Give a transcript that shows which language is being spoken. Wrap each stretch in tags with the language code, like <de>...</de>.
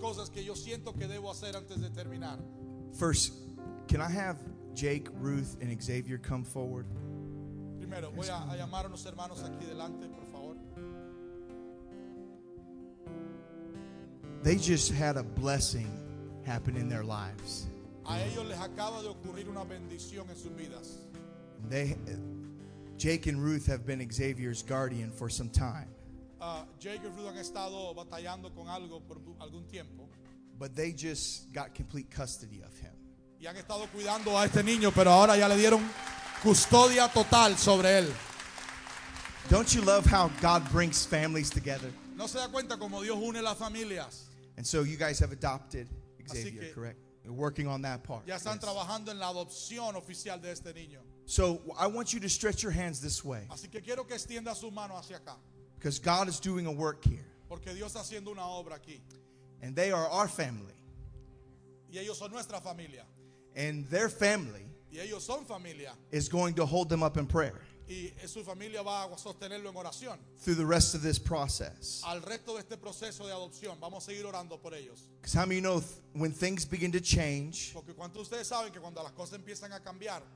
<es>Cosas que yo siento que debo hacer antes de terminar.</es> <en>First, can I have Jake, Ruth, and Xavier come forward?</en> <es>Primero, voy a llamar a unos hermanos aquí delante, por favor.</es> <en>They just had a blessing happen in their lives.</en> <es>A ellos les acaba de ocurrir una bendición en sus vidas.</es> <en>Jake and Ruth have been Xavier's guardian for some time.</en> <es>Jake and Ruth han estado batallando con algo por algún tiempo.</es> <en>But they just got complete custody of him.</en> <es>Y han estado cuidando a este niño, pero ahora ya le dieron custodia total sobre él.</es> <en>Don't you love how God brings families together?</en> <es>No se da cuenta como Dios une las familias.</es> <en>And so you guys have adopted Xavier,</en> <es>que,</es> <en>correct? You're working on that part.</en> <es>Ya están,</es> <en>yes,</en> <es>trabajando en la adopción oficial de este niño.</es> <en>So I want you to stretch your hands this way.</en> <es>Así que quiero que extienda su mano hacia acá.</es> <en>Because God is doing a work here.</en> <es>Porque Dios está haciendo una obra aquí.</es> <en>And they are our family.</en> <es>Y ellos son nuestra familia.</es> <en>And their family,</en> <es>y ellos son familia,</es> <en>is going to hold them up in prayer.</en> <es>Y su familia va a sostenerlo en oración.</es> <en>Through the rest of this process.</en> <es>Al resto de este proceso de adopción, vamos a seguir orando por ellos.</es> <en>Because how many know when things begin to change?</en> <es>Porque cuando ustedes saben que cuando las cosas empiezan a cambiar,</es>